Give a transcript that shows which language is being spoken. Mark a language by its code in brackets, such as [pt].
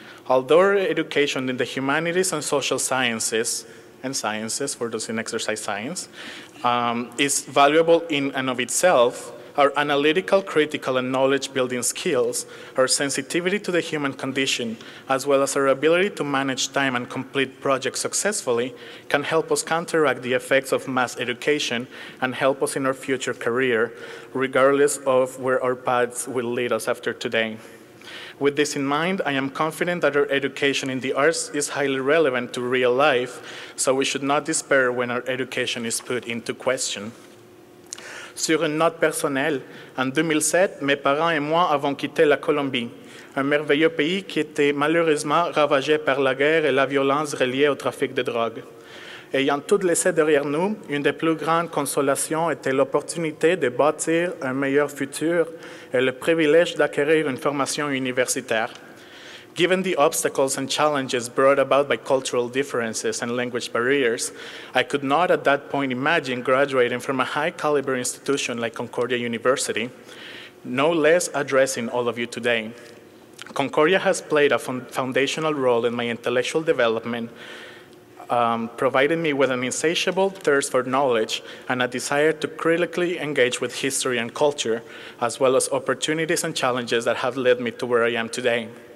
[en] Although our education in the humanities and social sciences, and sciences for those in exercise science, is valuable in and of itself, our analytical, critical, and knowledge-building skills, our sensitivity to the human condition, as well as our ability to manage time and complete projects successfully, can help us counteract the effects of mass education and help us in our future career, regardless of where our paths will lead us after today. With this in mind, I am confident that our education in the arts is highly relevant to real life, so we should not despair when our education is put into question. [fr] Sur une note personnelle, en 2007, mes parents et moi avons quitté la Colombie, un merveilleux pays qui était malheureusement ravagé par la guerre et la violence reliée au trafic de drogue. Ayant tout laissé derrière nous, une des plus grandes consolations était l'opportunité de bâtir un meilleur futur et le privilège d'acquérir une formation universitaire. [en] Given the obstacles and challenges brought about by cultural differences and language barriers, I could not at that point imagine graduating from a high-caliber institution like Concordia University, no less addressing all of you today. Concordia has played a foundational role in my intellectual development, providing me with an insatiable thirst for knowledge and a desire to critically engage with history and culture, as well as opportunities and challenges that have led me to where I am today.